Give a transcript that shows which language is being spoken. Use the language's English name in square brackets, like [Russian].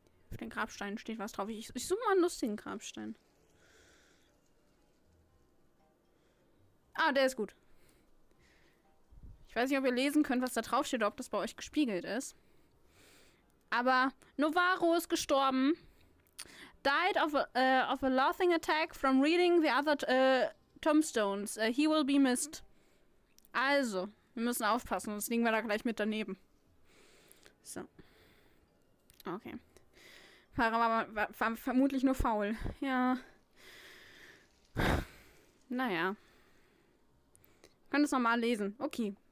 [German] Auf den Grabstein steht was drauf. Ich suche mal einen lustigen Grabstein. Ah, der ist gut. Ich weiß nicht, ob ihr lesen könnt, was da drauf steht, ob das bei euch gespiegelt ist. Aber Novaro ist gestorben. [English] Died of a laughing attack from reading the other tombstones. He will be missed. [German] Also, wir müssen aufpassen, sonst liegen wir da gleich mit daneben. So. Okay. War vermutlich nur faul. Ja. Naja. Kann es nochmal lesen. Okay.